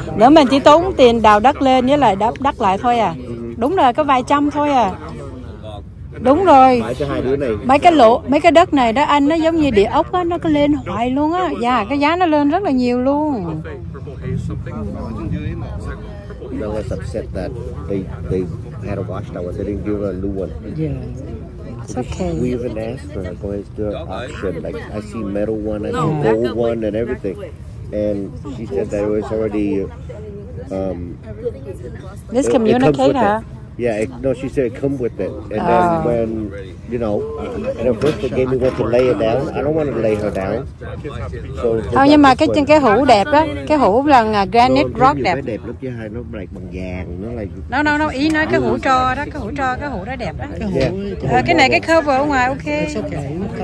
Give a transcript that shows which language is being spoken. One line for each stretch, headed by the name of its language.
Vietnamese: Nếu mình chỉ tốn tiền đào đất lên với lại đắp đất lại thôi à. Đúng rồi, có vài trăm thôi à. Đúng rồi. Mấy cái lỗ, mấy cái đất này đó anh, nó giống như địa ốc á, nó cứ lên hoài luôn á. Dạ, yeah, cái giá nó lên rất là nhiều luôn.
English: I was upset that they had a wash that was, they didn't give a new one. Yeah, it's okay. We even asked for her, go ahead, do an auction. Like, I see metal one, I see gold one and everything. And she said that it was already, miscommunicate, huh? Yeah, no, she said it come with it. And then when, you know, and at first they gave me one to lay it down. I don't want to lay her down. So
Vietnamese: không, nhưng mà cái hũ đẹp đó. Cái hũ là granite rock đẹp. Nó đẹp lúc chứ hai, nó lại bằng vàng. Nó lại...
English: No, no, no,
Vietnamese: ý nói cái hũ tro đó. Cái hũ tro, cái hũ đó đẹp đó. Cái hũ...
English: Yeah.
Vietnamese: Cái này cái cover ở ngoài, ok.
English: It's okay.